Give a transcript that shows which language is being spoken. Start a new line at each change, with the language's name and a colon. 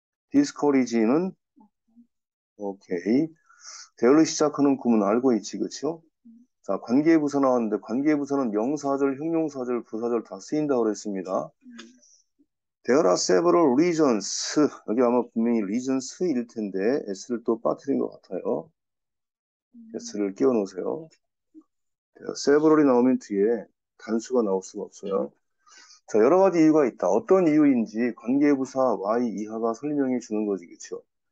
Korean: discourage는, 오케이. 대열로 시작하는 구문 알고 있지, 그쵸? 자, 관계부사 나왔는데, 관계부사는 명사절, 형용사절, 부사절 다 쓰인다고 그랬습니다.
English: There are several reasons.
Korean: 여기 아마 분명히 reasons일 텐데, S를 또 빠뜨린 것 같아요. S를 끼워 놓으세요. several이 나오면 뒤에 단수가 나올 수가 없어요. 자, 여러 가지 이유가 있다. 어떤 이유인지 관계부사 why 이하가 설명해 주는 거지, 그렇죠?